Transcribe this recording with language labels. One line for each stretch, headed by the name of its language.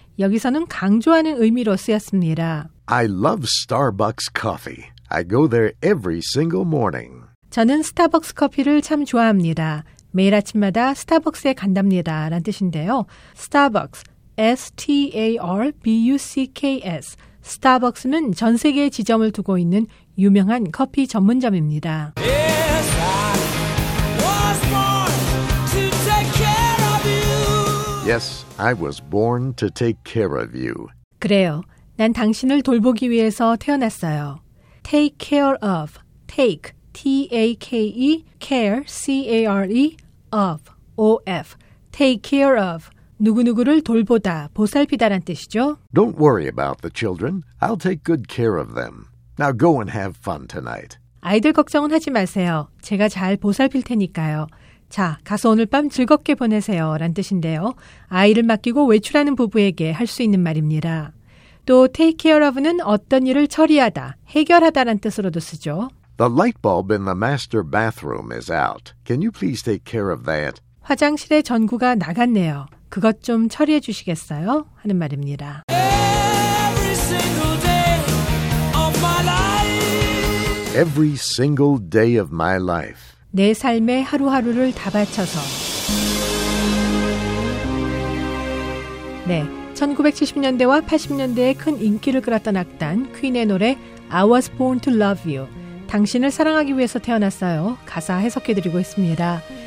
Korean: 여기서는 강조하는 의미로 쓰였습니다.
English: I love Starbucks coffee. I go there every single morning.
Korean: 저는 스타벅스 커피를 참 좋아합니다. 매일 아침마다 스타벅스에 간답니다. 라는 뜻인데요. Starbucks, S-T-A-R-B-U-C-K-S. 스타벅스는 전 세계에 지점을 두고 있는 유명한 커피 전문점입니다.
English: Yes, I was born to take care of you. Yes, I was born to take care of you.
Korean: 그래요. 난 당신을 돌보기 위해서 태어났어요.
English: Take care of, take, T-A-K-E, care, C-A-R-E, of, O-F, take care of,
Korean: 누구누구를 돌보다, 보살피다란 뜻이죠.
English: Don't worry about the children. I'll take good care of them. Now go and have fun tonight.
Korean: 아이들 걱정은 하지 마세요. 제가 잘 보살필 테니까요. 자, 가서 오늘 밤 즐겁게 보내세요 라는 뜻인데요. 아이를 맡기고 외출하는 부부에게 할 수 있는 말입니다. 또 take care of는 어떤 일을 처리하다, 해결하다라는 뜻으로도 쓰죠.
English: The light bulb in the master bathroom is out. Can you please take care of that?
Korean: 화장실의 전구가 나갔네요. 그것 좀 처리해 주시겠어요? 하는 말입니다.
English: Every single day of my life. Every single day of my life.
Korean: 내 삶의 하루하루를 다 바쳐서. 네, 1970년대와 80년대에 큰 인기를 끌었던 악단 퀸의 노래 I was born to love you. 당신을 사랑하기 위해서 태어났어요. 가사 해석해드리고 있습니다.